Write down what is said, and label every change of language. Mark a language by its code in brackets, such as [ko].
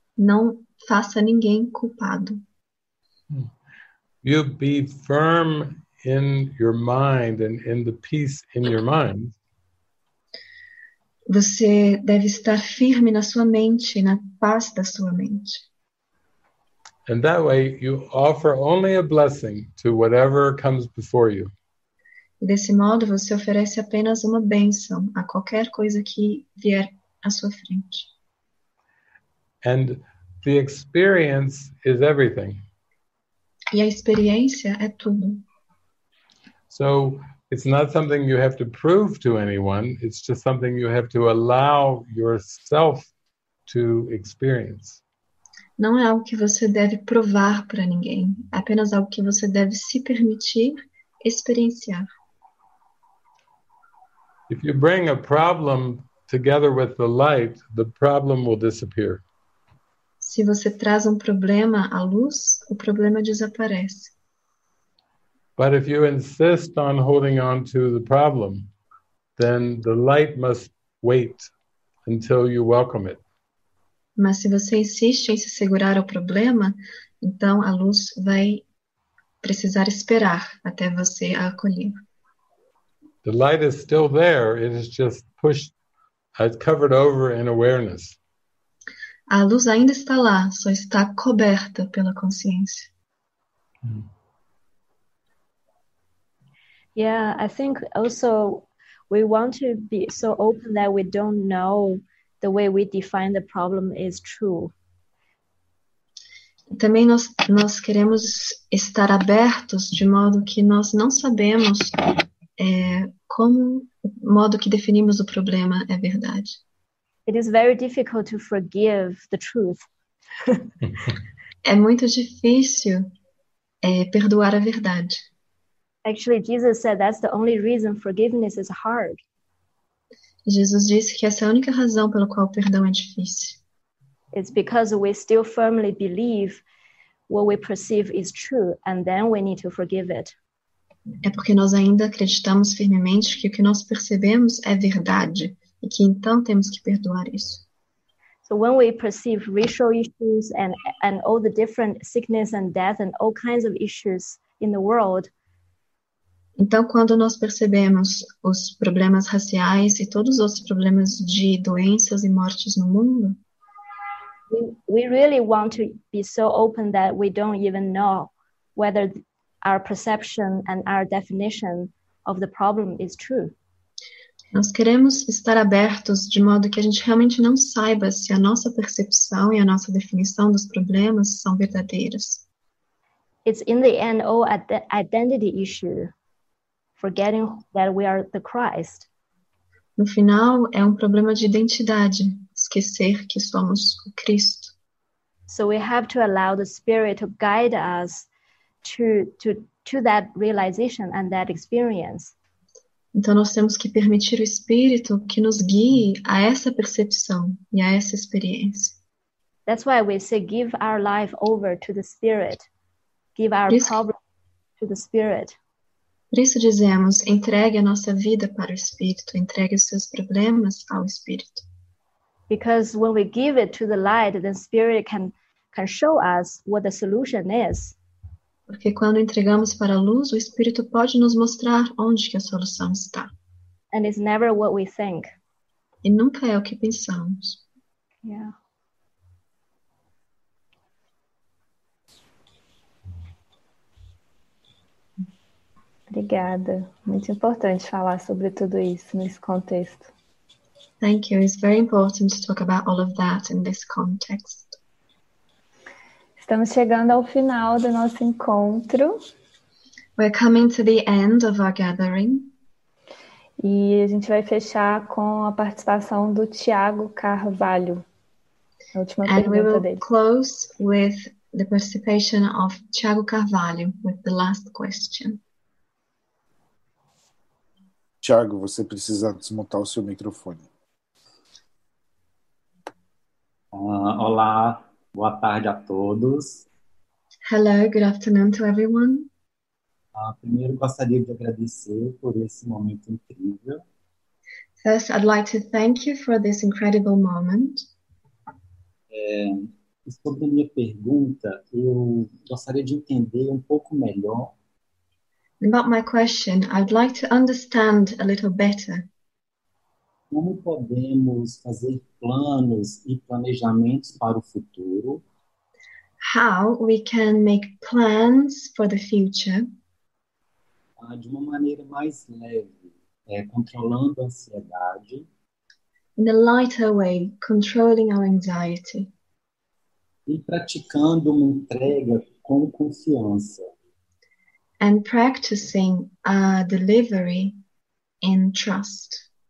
[pt] Não faça ninguém culpado. [en] You be firm in your mind and in the peace in your mind. [pt] Você deve estar firme na sua mente, na paz da sua mente. [en] And that way you offer only a blessing to whatever comes before you. [pt] E desse modo você oferece apenas uma bênção a qualquer coisa que vier à sua frente. [en] And the experience is everything. [pt] E a experiência é tudo. [en] So it's not something you have to prove to anyone, it's just something you have to allow yourself to experience. [pt] Não é algo que você deve provar para ninguém, é apenas algo que você deve se permitir experienciar. [en] If you bring a problem together with the light, the problem will disappear. [pt] Se você traz problema à luz, o problema desaparece. [en] But if you insist on holding on to the problem, then the light must wait until you welcome it. [pt] Mas se você insiste em se segurar ao problema, então a luz vai precisar esperar até você a acolher. [en] The light is still there, it is just pushed, it's covered over in awareness. [pt] A luz ainda está lá, só está coberta pela consciência. [en] Yeah, I think also we want to be so open that we don't know the way we define the problem is true. [pt] Também nós queremos estar abertos de modo que nós não sabemos como o modo que definimos o problema é verdade. [en] It is very difficult to forgive the truth. [pt] É muito difícil perdoar a verdade. [en] Actually, Jesus said that's the only reason forgiveness is hard. [pt] Jesus disse que essa é a única razão pela qual o perdão é difícil. [en] It's because we still firmly believe what we perceive is true, and then we need to forgive it. [pt] É porque nós ainda acreditamos firmemente que o que nós percebemos é verdade. E que então temos que perdoar isso. [en] So when we perceive racial issues and all the different sickness and death and all kinds of issues in the world. [pt] Então quando nós percebemos os problemas raciais e todos os problemas de doenças e mortes no mundo, [en] we really want to be so open that we don't even know whether our perception and our definition of the problem is true. [pt] Nós queremos estar abertos de modo que a gente realmente não saiba se a nossa percepção e a nossa definição dos problemas são verdadeiras. [en] It's in the end all at the identity issue, forgetting that we are the Christ. [pt] No final, é problema de identidade, esquecer que somos o Cristo. [en] So we have to allow the Spirit to guide us to that realization and that experience. [pt] Então nós temos que permitir o Espírito que nos guie a essa percepção e a essa experiência. [en] That's why we say give our life over to the Spirit. Give our problem to the Spirit. [pt] Por isso dizemos, entregue a nossa vida para o Espírito, entregue os seus problemas ao Espírito. [en] Because when we give it to the light, the Spirit can show us what the solution is. [pt] Porque quando entregamos para a luz, o Espírito pode nos mostrar onde que a solução está. [en] And it's never what we think. [pt] E nunca é o que pensamos. [en] Yeah. [pt] Obrigada. Muito importante falar sobre tudo isso nesse contexto. [en] Thank you. It's very important to talk about all of that in this context. [pt] Estamos chegando ao final do nosso encontro. [en] We're coming to the end of our gathering. [pt] E a gente vai fechar com a participação do Tiago Carvalho. A última pergunta dele. [en] And we will close with The participation of Thiago Carvalho with the last question. [pt] Thiago, você precisa desmontar o seu microfone. Olá, boa tarde a todos. [en] Hello, good afternoon to everyone. [pt] Primeiro, gostaria de agradecer por esse momento incrível. [en] First, I'd like to thank you for this incredible moment. [pt] Sobre a minha pergunta, eu gostaria de entender um pouco melhor. [en] About my question, I'd like to understand a little better. [pt] Como podemos fazer planos e planejamentos para o futuro? [en] How we can make plans for the future? [pt] De uma maneira mais leve, controlando a ansiedade. [en] In a lighter way, controlling our anxiety. [pt] E praticando uma entrega com confiança. [en] And practicing a delivery in trust.